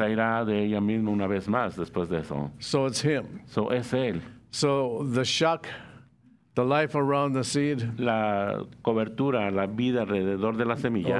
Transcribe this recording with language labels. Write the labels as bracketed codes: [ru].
[es] Y traerá de ella misma una vez más después de eso. [en] So it's him. [es] So es él. [en] So the shock, the life around the seed. [es] La cobertura, la vida alrededor de la semilla.